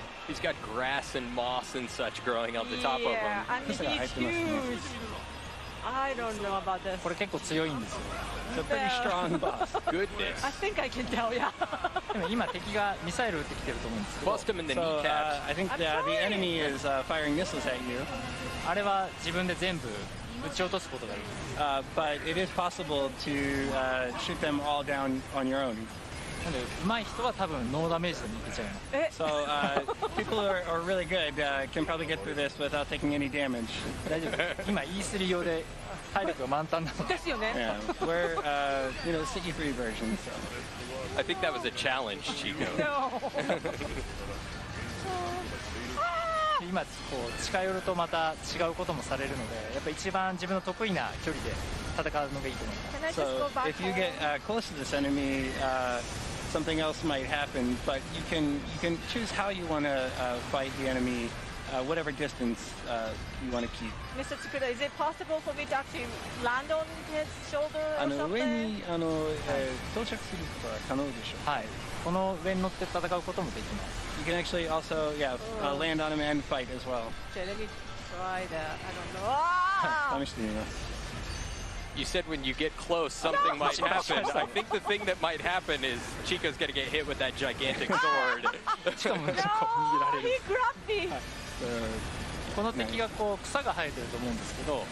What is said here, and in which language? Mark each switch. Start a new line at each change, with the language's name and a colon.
English: He's got grass and moss and such growing on the top of him. Yeah, I mean, he's huge. I don't know about this.
Japanese: これ結構強いんですよ。
English: It's a pretty strong boss. Goodness. I think I can tell, yeah.
Japanese: でも今敵がミサイル撃ってきてると思うんですけど。
English: Bust him in the kneecaps. I think the enemy is firing missiles at you.
Japanese: あれは自分で全部撃ち落とすことがいい。
English: But it is possible to shoot them all down on your own. So people who are really good can probably get through this without taking any damage.
Japanese: 大丈夫。今 E3 用で体力が満タンなの。ですよね。
English: Yeah, we're you know sticky free version. So. I think that was a challenge, Chico. No.
Japanese: 今こう近寄るとまた違うこともされるので、やっぱ一番自分の得意な距離で戦うのがいいと思います。
English: Can I just go back? So if you get close to this enemy, something else might happen. But you can choose how you want to fight the enemy, whatever distance you want to keep. Mr. Tsukuda, is it possible for me to actually land on his shoulder or something?
Japanese: 上に到着することは可能でしょう。はい。この上に乗って戦うこともできます。
English: You can actually also, land on him and fight as well. Okay, let me try that. I don't know. You said when you get close, something might happen. I think the thing that might happen is Chico's going to get hit with that gigantic sword. No, he grabbed me.
Japanese: この敵がこう草が生えてると思うんですけど。